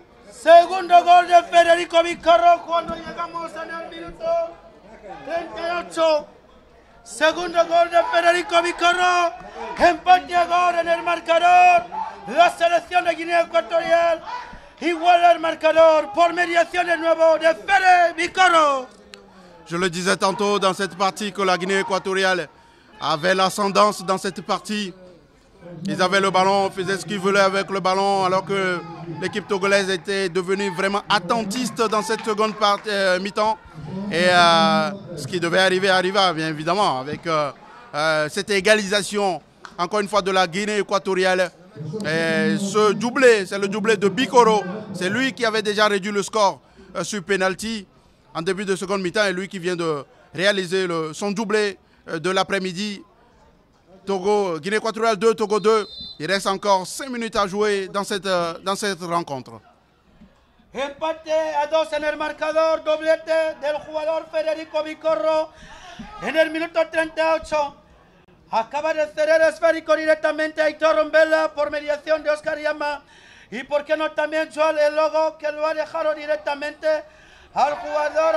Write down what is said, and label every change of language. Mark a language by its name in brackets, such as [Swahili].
[Spanish] Segundo gol de Federico Vicorro cuando llegamos en el minuto 38. Segundo gol de Federico Vicorro. Empate a gol en el marcador. La selección de Guinea Ecuatorial iguala el marcador por mediación de nuevo de Fede Vicorro. [French] Je le disais tantôt dans cette partie que la Guinée Équatoriale avait l'ascendance dans cette partie. Ils avaient le ballon, faisaient ce qu'ils voulaient avec le ballon, alors que l'équipe togolaise était devenue vraiment attentiste dans cette seconde partie, mi-temps. Et ce qui devait arriver, arriva bien évidemment avec cette égalisation, encore une fois, de la Guinée Équatoriale. Et ce doublé, c'est le doublé de Vicorro. C'est lui qui avait déjà réduit le score sur penalty en début de seconde mi-temps. Et lui qui vient de réaliser son doublé de l'après-midi. Togo, Guinée Équatoriale 2, Togo 2. Il reste encore 5 minutes à jouer dans cette rencontre. [Spanish] Empate à dos en el marcador, doblete del jugador Federico Vicorro en el minuto 38. Acaba de ceder esférico directamente a Aitor Mbela por mediación de Oscar Yama. Y por qué no también Joel El Logo, que lo ha dejado directamente al jugador.